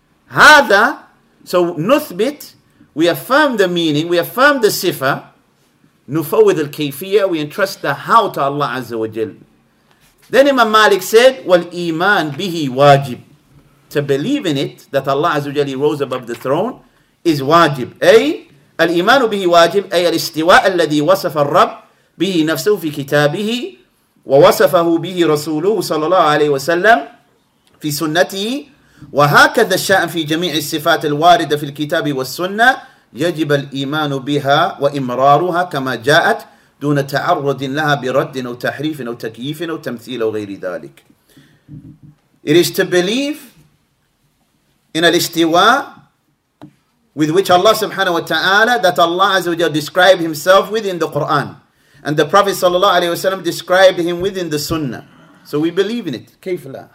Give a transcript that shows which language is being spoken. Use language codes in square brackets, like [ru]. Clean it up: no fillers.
[en] Hada, so nuthbit, we affirm the meaning, we affirm the sifa, [ar] nufawid al-kayfiyah, [en] we entrust the how to Allah Azza wa Jalla. Then Imam Malik said, [ar] wal iman bihi wajib. [en] To believe in it, that Allah Azza wa Jalla rose above the throne, is wajib. [ar] Ay, al-imanu bihi wajib, ay al-istiwa al-ladhi wasaf al-rab, به نفسه في كتابه ووصفه به رسوله صلى الله عليه وسلم في سنته وهكذا الشأن في جميع الصفات الواردة في الكتاب والسنة يجب الإيمان بها وإمرارها كما جاءت دون تعرض لها برد أو تحريف أو تكييف أو تمثيل أو غير ذلك. [en] It is to believe in الاستواء with which Allah subhanahu wa ta'ala that Allah عز وجل described himself within the Quran. And the Prophet sallallahu alaihi wasallam described him within the Sunnah. So we believe in it. [ar] كيف لا?